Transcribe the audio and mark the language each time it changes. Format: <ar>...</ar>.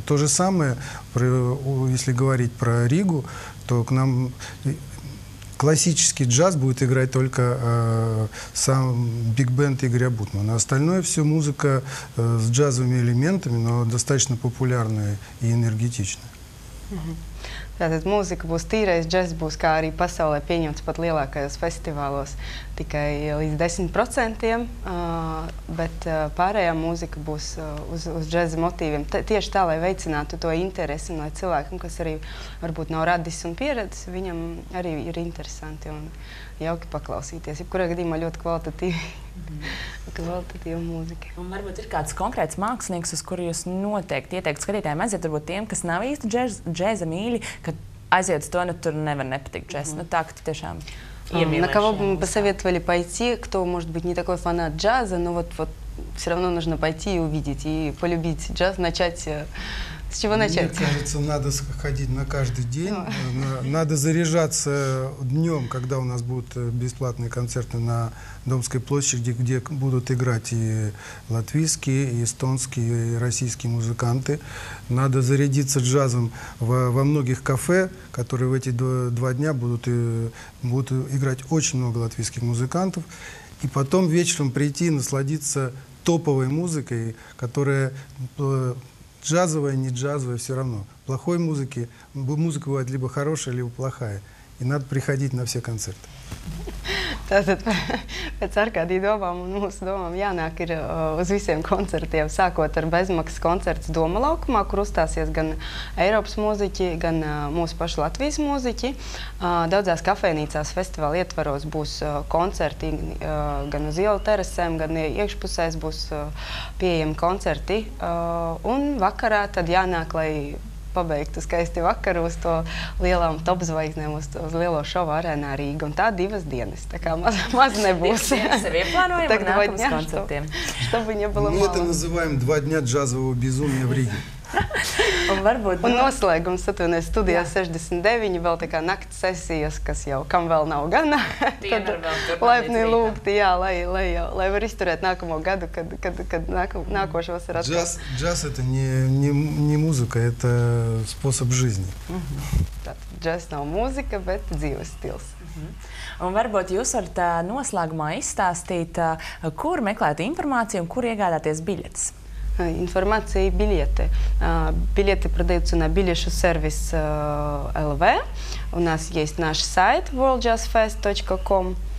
<ru>То же самое, если говорить про Ригу, то к нам классический джаз будет играть только сам биг-бенд Игоря Бутмана. Остальное все музыка с джазовыми элементами, но достаточно популярная и энергетичная. Угу.</ru> <lv>Tātad mūzika būs tīrais, džezs būs kā arī pasaulē pieņemts pat lielākajos festivālos tikai līdz 10%, bet pārējā mūzika būs uz džezi motīviem. Tieši tā, lai veicinātu to interesi, lai cilvēkam, kas arī varbūt nav radis un pieredzis, viņam arī ir interesanti un jauki paklausīties. Jebkurā gadījumā ļoti kvalitatīva mūzika. Un varbūt ir kāds konkrēts mākslinieks, uz kuru jūs noteikti ieteikt skatītājiem aiziet, varbūt tiem, kas nav īsti džeza mīļi, kad aiziet uz to, nu tur nevar nepatikt džez. Mm-hmm. Nu tā, ka tu tiešām iemīlēši.</lv> <ru>На кого бы посоветовали пойти, кто может быть не такой фанат джаза, но вот все равно нужно пойти и увидеть, и полюбить джаз, начать... С чего начать? Мне кажется, надо ходить на каждый день. Надо заряжаться днем, когда у нас будут бесплатные концерты на Домской площади, где будут играть и латвийские, и эстонские, и российские музыканты. Надо зарядиться джазом во многих кафе, которые в эти два дня будут играть очень много латвийских музыкантов. И потом вечером прийти и насладиться топовой музыкой, которая... Джазовая, не джазовая, все равно. Плохой музыки, музыка бывает либо хорошая, либо плохая. И надо приходить на все концерты.</ru> <lv>Tātad pēc ārkārtīgi domām un mūsu domām jānāk ir uz visiem koncertiem, sākot ar bezmaksas koncerts Doma laukumā, kur uzstāsies gan Eiropas mūziķi, gan mūsu pašu Latvijas mūziķi. Daudzās kafejnīcās festivāla ietvaros būs koncerti gan uz ielu terasēm, gan iekšpusēs būs pieejami koncerti. Un vakarā tad jānāk, lai pabeigtu skaisti vakaru uz to lielām top zvaigznēm, uz lielo šovu arēnā Rīga. Un tā divas dienas, tā kā maz nebūs.</lv> <ru>Это называем два дня джазового безумия в Риге.</ru> <lv>Un noslēgums, satvienojas studijā 69, vēl tā kā nakts sesijas, kas jau kam vēl nav gana. Tad laipni lūgti, jā, lai var izturēt nākamo gadu, kad nākošos ir atkal.</lv> <ru>Džaz – это не музыка, это способ жизни.</ru> <lv>Džaz nav mūzika, bet dzīves stils. Un varbūt jūs varat noslēgumā izstāstīt, kur meklēt informāciju un kur iegādāties biļetes?</lv> <ru>Информация и билеты. Билеты продаются на билетшосервис.lv. У нас есть наш сайт worldjazzfest.com.</ru>